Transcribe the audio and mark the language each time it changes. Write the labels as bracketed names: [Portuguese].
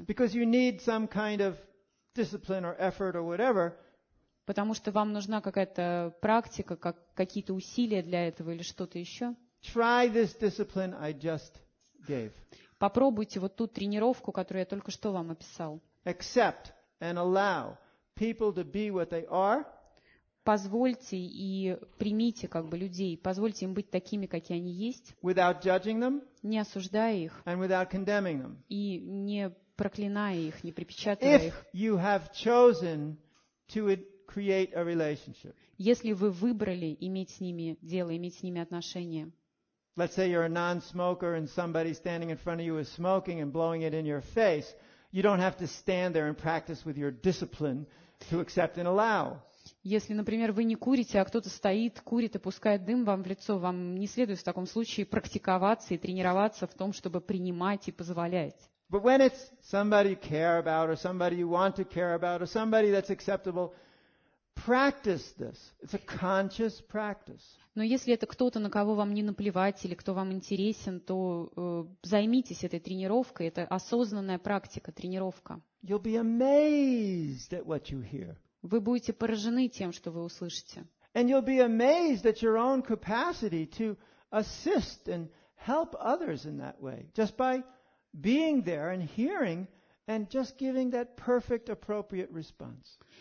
[English] because you need some kind of discipline or effort or whatever, [Russian] потому что вам нужна какая-то практика, какие-то усилия для этого или что-то еще, [English] try this discipline I just gave. [Russian] Попробуйте вот ту тренировку, которую я только что вам описал. [English] Accept and allow people to be what they are. [Russian] Позвольте и примите как бы людей, позвольте им быть такими, какие они есть, [English] without judging them, [Russian] не осуждая их, [English] and without condemning them, [Russian] и не проклиная их, не припечатывая [English] if [Russian] их. [English] You have chosen to create a relationship. [Russian] Если вы выбрали иметь с ними дело, иметь с ними отношения. [English] Let's say you're a non-smoker and somebody standing in front of you is smoking and blowing it in your face. You don't have to stand there and practice with your discipline to accept and allow. [Russian] Если, например, вы не курите, а кто-то стоит, курит и пускает дым вам в лицо, вам не следует в таком случае практиковаться и тренироваться в том, чтобы принимать и позволять. [English] But when it's somebody you care about or somebody you want to care about or somebody that's acceptable, practice this. It's a conscious practice. [Russian] Но если это кто-то, на кого вам не наплевать или кто вам интересен, то займитесь этой тренировкой. Это осознанная практика, тренировка. [English] You'll be amazed at what you hear. [Russian] Вы будете поражены тем, что вы услышите. [English] And you'll be amazed at your own capacity to assist and help others in that way. Just by being there and hearing and just giving that perfect appropriate response.